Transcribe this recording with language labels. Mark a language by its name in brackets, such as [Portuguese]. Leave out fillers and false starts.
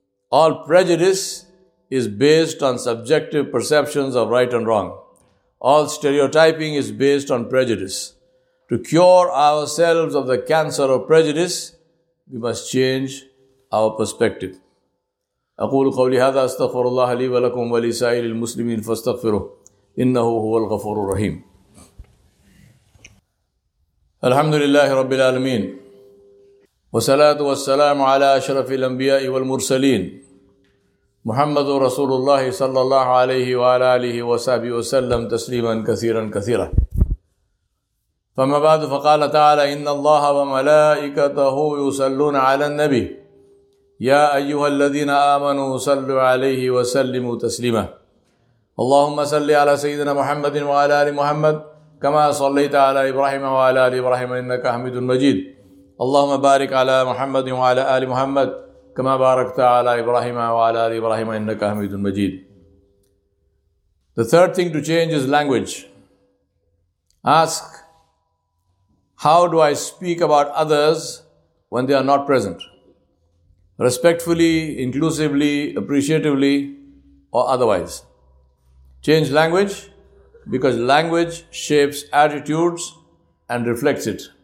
[English] All prejudice is based on subjective perceptions of right and wrong. All stereotyping is based on prejudice. To cure ourselves of the cancer of prejudice, we must change our perspective. [Arabic] أقول قولي هذا استغفر الله لي ولكم ولسائر المسلمين فاستغفروه إنه هو الغفور الرحيم. الحمد لله رب العالمين والصلاة والسلام على أشرف الأنبياء والمرسلين محمد رسول الله صلى الله عليه وعلى آله وصحبه وسلم تسليما كثيرا كثيرا فما بعد فقال تعالى إن الله وملائكته يصلون على النبي يا أيها الذين آمنوا صلوا عليه وسلموا تسليما اللهم صل على سيدنا محمد وعلى آل محمد كما صليت على إبراهيم وعلى آل إبراهيم إنك حميد مجيد اللهم بارك على محمد وعلى آل محمد كما باركت على إبراهيم وعلى آل إبراهيم إنك حميد مجيد. [English] The third thing to change is language. Ask, how do I speak about others when they are not present? Respectfully, inclusively, appreciatively, or otherwise. Change language, because language shapes attitudes and reflects it.